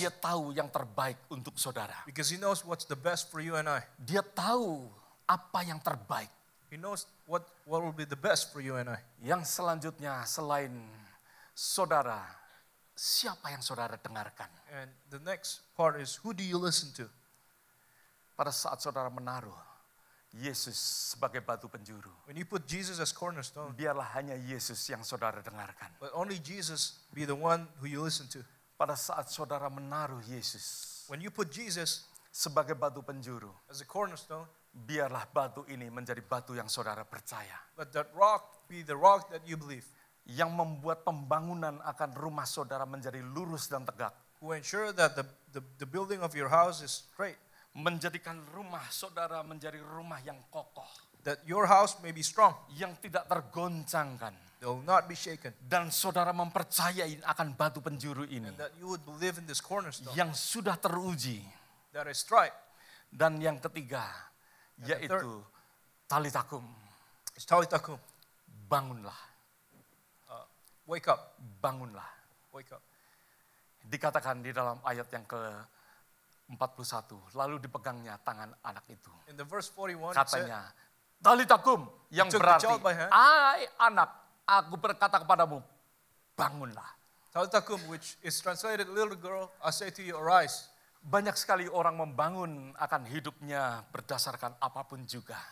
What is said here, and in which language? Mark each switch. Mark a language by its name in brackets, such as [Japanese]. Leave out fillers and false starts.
[Indonesian] Dia tahu yang terbaik untuk saudara. [English] Because he knows what's the best for you and I. [Indonesian] Dia tahu apa yang terbaik. [English] He knows what will be the best for you and I. [Indonesian] Yang selanjutnya selain saudara, siapa yang saudara dengarkan? [English] And the next part is who do you listen to? [Indonesian] Pada saat saudara menaruh Yesus sebagai batu penjuru. [English] When you put Jesus as cornerstone, [Indonesian] biarlah hanya Yesus yang saudara dengarkan. [English] But only Jesus be the one who you listen to. [Indonesian] Pada saat saudara menaruh Yesus, [English] when you put Jesus [Indonesian] sebagai batu penjuru, [English] as a cornerstone, [Indonesian] biarlah batu ini menjadi batu yang saudara percaya. [English] Let that rock be the rock that you believe. [Indonesian] Yang membuat pembangunan akan rumah saudara menjadi lurus dan tegak. [English] Who ensure that the building of your house is straight. [Indonesian] Menjadikan rumah saudara menjadi rumah yang kokoh. [English] That your house may be strong. [Indonesian] Yang tidak tergoncangkan. [English] They will not be shaken. [Indonesian] Dan saudara mempercayai akan batu penjuru ini. [English] And that you would believe in this cornerstone. [Indonesian] Yang sudah teruji. [English] That is tried. [Indonesian] Dan yang ketiga, and yaitu third, talitakum. [English] It's talitakum. [Indonesian] Bangunlah. [English] Wake up. [Indonesian] Bangunlah. [English] Wake up. [Indonesian] Dikatakan di dalam ayat yang ke 41, lalu dipegangnya tangan anak itu. [English] In the verse 41, [Indonesian] katanya, talitakum, yang berarti, hai anak, aku berkata kepadamu, bangunlah. [English] Talitakum, which is translated, little girl, I say to you, arise. [Indonesian] Banyak sekali orang membangun akan hidupnya berdasarkan apapun juga.